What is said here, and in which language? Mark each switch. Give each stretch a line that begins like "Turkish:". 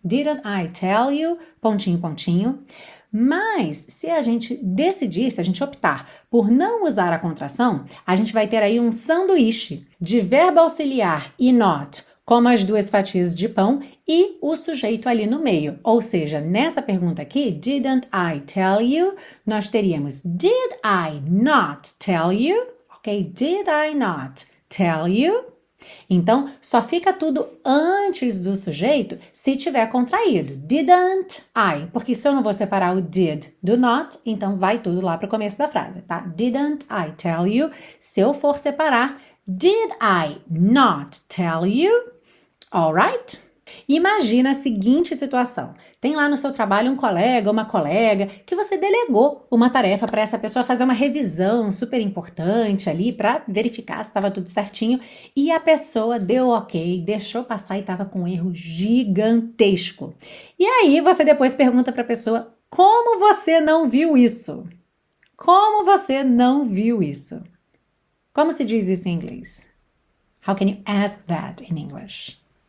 English: Didn't I tell you?
Portuguese: Pontinho, pontinho. Mas se a gente decidir, se a gente optar por não usar a contração, a gente vai ter aí um sanduíche de verbo auxiliar e not, como as duas fatias de pão e o sujeito ali no meio. Ou seja, nessa pergunta aqui,
English: didn't I tell you? Nós teríamos, did I not tell you? Okay, did I not tell you?
Portuguese: Então, só fica tudo antes do sujeito se tiver contraído.
English: Didn't I?
Portuguese: Porque se eu não vou separar o did do not, então vai tudo lá para o começo da frase, tá?
English: Didn't I tell you?
Portuguese: Se eu for separar,
English: did I not tell you? All right?
Portuguese: Imagina a seguinte situação: tem lá no seu trabalho um colega, uma colega, que você delegou uma tarefa para essa pessoa fazer uma revisão super importante ali para verificar se estava tudo certinho, e a pessoa deu ok, deixou passar e estava com um erro gigantesco. E aí você depois pergunta para a pessoa: como você não viu isso? Como você não viu isso? Como se diz isso em inglês?
English: How can you ask that in English?